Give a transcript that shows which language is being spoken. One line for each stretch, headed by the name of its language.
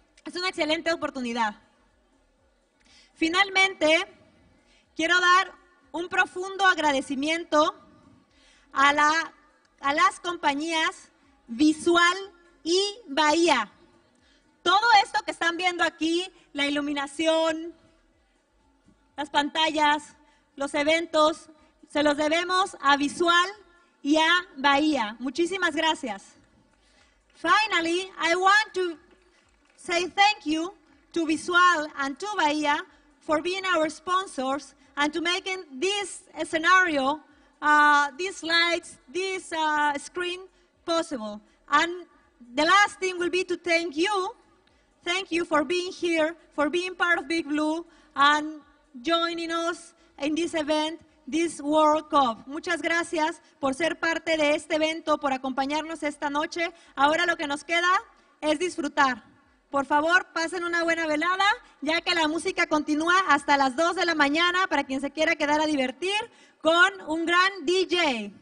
Spanish: Es una excelente oportunidad. Finalmente, quiero dar un profundo agradecimiento a las compañías Visual y Bahía. Todo esto que están viendo aquí, la iluminación, las pantallas, los eventos, se los debemos a Visual y a Bahía. Muchísimas gracias.
English: Finally, I want to say thank you to Visual and to Bahía for being our sponsors and to making this scenario, these lights, this screen possible. And the last thing will be to thank you. Thank you for being here, for being part of Big Blue and joining us in this event, this World Cup.
Spanish: Muchas gracias por ser parte de este evento, por acompañarnos esta noche. Ahora lo que nos queda es disfrutar. Por favor, pasen una buena velada, ya que la música continúa hasta las 2 de la mañana para quien se quiera quedar a divertir con un gran DJ.